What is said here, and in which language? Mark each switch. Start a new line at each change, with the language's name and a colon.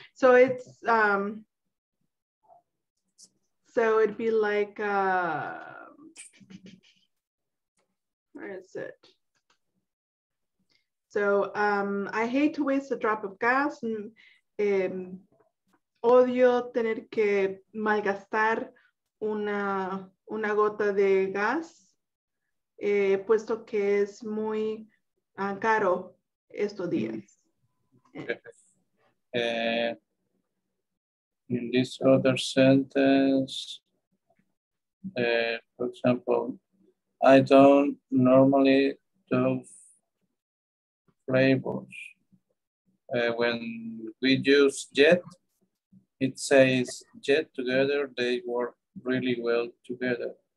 English: So it's, so it'd be like, where is it? So I hate to waste a drop of gas, and
Spanish: odio tener que malgastar una gota de gas, puesto que es muy caro estos días.
English: Okay. In this other sentence, for example, I don't normally do flavors. When we use jet, it says jet together, they work really well together.